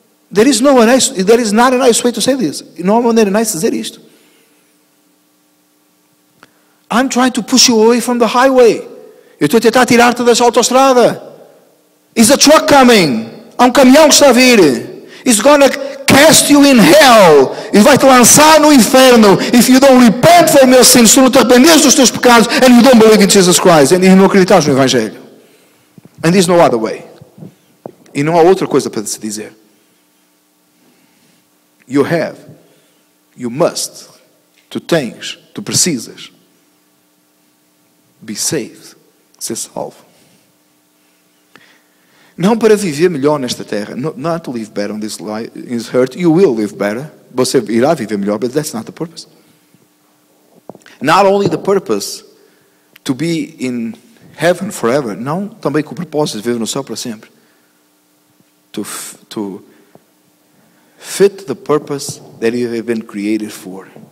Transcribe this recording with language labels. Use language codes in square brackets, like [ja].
[en] There is not a nice way to say this. [pt] Não há maneira nice de dizer isto. [en] I'm trying to push you away from the highway. [pt] Eu estou a tentar tirar-te da autoestrada. [en] Is a truck coming? [pt] Há um caminhão que está a vir. [en] It's gonna cast you in hell. [pt] Ele vai te lançar no inferno. [en] If you don't repent from your sins, [pt] se tu não te arrependes dos teus pecados, [en] and you don't believe in Jesus Christ, and you [pt] não acreditas no Evangelho. [en] And there's no other way. [pt] E não há outra coisa para se dizer. [en] You have. You must. [pt] Tu tens. Tu precisas. [en] Be saved. [pt] Ser salvo. Não para viver melhor nesta terra. [en] Not to live better on this life, in this earth. You will live better. [pt] Você irá viver melhor, [en] but that's not the purpose. Not only the purpose to be in heaven forever. [pt] Não também com o propósito de viver no céu para sempre. [en] To fit the purpose that you have been created for.